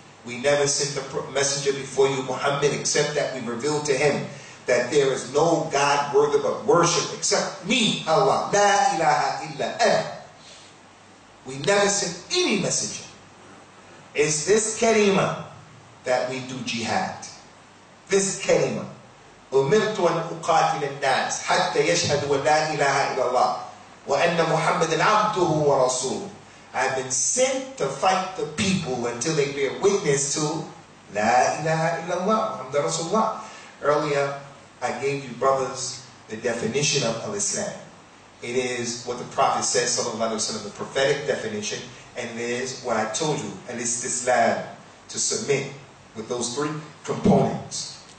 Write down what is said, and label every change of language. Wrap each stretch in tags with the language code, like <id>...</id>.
<en>We never sent the messenger before you, Muhammad, except that we revealed to him that there is no God worthy of worship except me, Allah.</en> <ar>لَا إِلَهَ إِلَّا أَنَا.</ar> <en>We never sent any messenger. It's this kalima that we do jihad. This kalima.</en> <ar>أمرت أن أقاتل الناس حتى يشهدوا لا إله إلا الله وأن محمد عبده ورسوله.</ar> <en>I've been sent to fight the people until they bear witness to</en> <ar>لا إله إلا الله محمد رسول الله.</ar> <en>Earlier, I gave you brothers the definition of Islam. It is what the Prophet says, sallallahu alaihi wasallam, the prophetic definition, and it is what I told you, and it's Islam to submit with those three components.</en>